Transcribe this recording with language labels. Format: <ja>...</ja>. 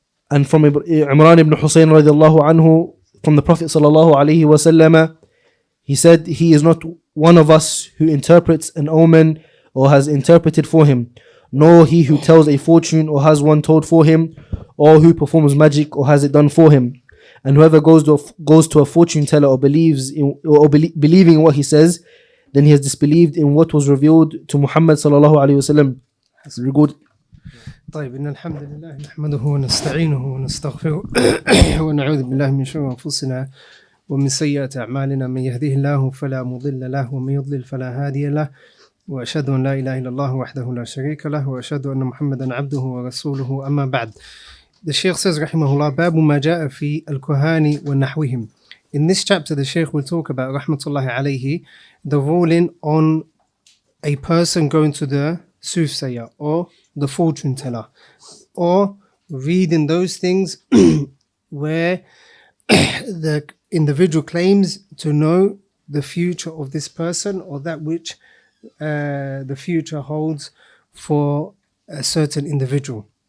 <en>And from Imran ibn Husayn radiallahu anhu, from the Prophet sallallahu alayhi wa sallam, he said, he is not one of us who interprets an omen or has interpreted for him, nor he who tells a fortune or has one told for him, or who performs magic or has it done for him. And whoever goes to a fortune teller or believing what he says, then he has disbelieved in what was revealed to Muhammad sallallahu alayhi wa sallam.</en> <ar>طيب إن الحمد لله نحمده ونستعينه ونستغفره ونعوذ بالله من شرور أنفسنا ومن سيئات أعمالنا، من يهده الله فلا مضل له ومن يضلل فلا هادي له، وأشهد أن لا إله إلا الله وحده لا شريك له، وأشهد أن محمدا عبده ورسوله. أما بعد،</ar> <en>the Sheikh says</en> <ar>رحمه الله: باب ما جاء في الكهان ونحوهم.</ar> <en>In this chapter the Sheikh will talk about</en> <ar>رحمة الله عليه</ar> <en>the ruling on a person going to the soothsayer or the fortune teller, or reading those things where the individual claims to know the future of this person, or that which the future holds for a certain individual.</en>